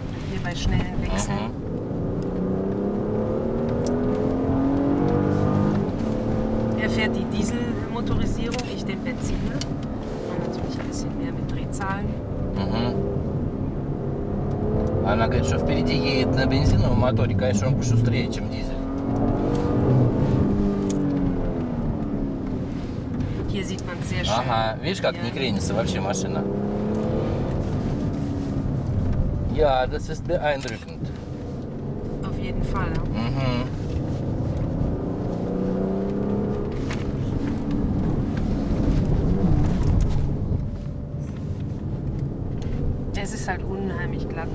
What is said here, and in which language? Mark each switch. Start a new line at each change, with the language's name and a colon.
German: Hier bei schnellen Wechseln. Er fährt die Dieselmotorisierung, ich den Benziner. Und natürlich ein bisschen mehr mit Drehzahlen.
Russian: Она говорит, что впереди едет на бензиновом моторе, конечно, он быстрее, чем дизель. Ага, видишь, как не кренится вообще машина?
German: Ja, das ist beeindruckend. Auf jeden Fall. Es ist halt unheimlich glatt.